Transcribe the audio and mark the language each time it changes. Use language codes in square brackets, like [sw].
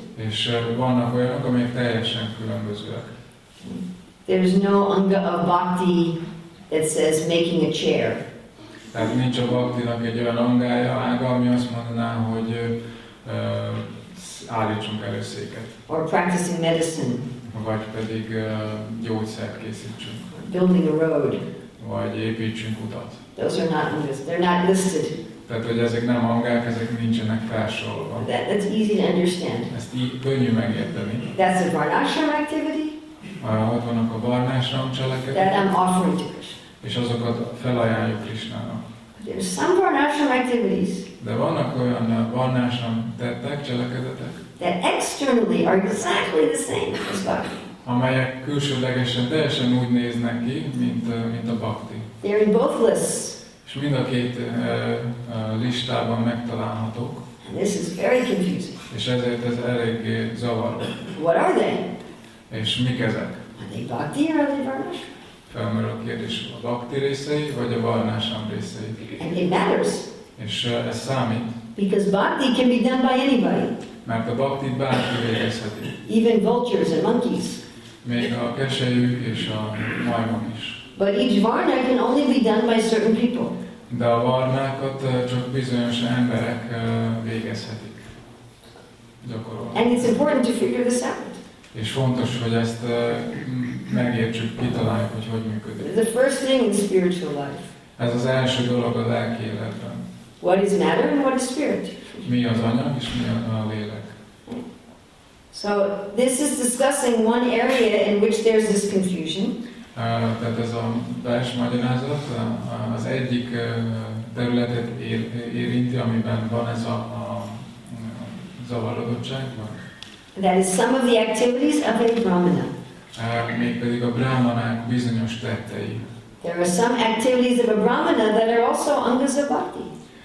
[hu] És vannak olyanok, amelyek teljesen különbözőek. [en] There is no anga of bhakti that says making a chair. [hu] Tehát nincs a bhaktinak egy olyan angája, ága, ami azt mondaná, hogy állítsunk elő széket. [en] Or practicing medicine. [hu] Vagy pedig gyógyszert készítsünk. [en] Building a road. [hu] Vagy építsünk utat. [en] Those are not angas. They're not listed. [hu] Tehát, hogy ezek nem angák, ezek nincsenek felsorolva. [en] That's easy to understand. [hu] Ezt könnyű megérteni. [en] That's a varnashram activity. [hu] ott vannak a Varnásram cselekedetek. [en] That I'm offering to Krishna. [hu] És azokat felajánljuk Krishnának. [en] There's some Varnásram activities. [hu] De vannak olyan Varnásram tettek, cselekedetek. [en] That externally are exactly the same as Bhakti. [hu] Amelyek külsőlegesen teljesen úgy néznek ki, mint a Bhakti. [en] They're in both lists. [hu] És mind a két listában megtalálhatók. [en] This is very confusing. [hu] És ezért ez elég zavaró. [en] What are they? [hu] És mik ezek? [en] Are they bhakti or are they varnasram? [hu] Felmerül a kérdés, a bhakti részei vagy a varnasram részei? [en] And it matters. [hu] És ez számít. [en] Because bhakti can be done by anybody. [hu] Mert a bhakti bárki végezheti. [en] Even vultures and monkeys. [hu] Még a keselyű és a majmok is. [en] But each varna can only be done by certain people. [hu] De a varnákat csak bizonyos emberek végezhetik. Gyakorolni. [en] And it's important to figure this out. [hu] És fontos, hogy ezt megértsük, kitaláljuk, hogy hogy működik. [en] The first thing in spiritual life. [hu] Ez az első dolog a lelki életben. [en] What is matter and what is spirit? [hu] Mi az anyag és mi a lélek? [en] So this is discussing one area in which there's this confusion. [hu] Tehát ez a belső magyarázat az egyik területet érinti, amiben van ez a zavarodottság. [en] That is some of the activities of a brahmana. [hu] Mégpedig a brahmanák bizonyos tettei. [en] There are some activities of a brahmana that are also angas of bhakti.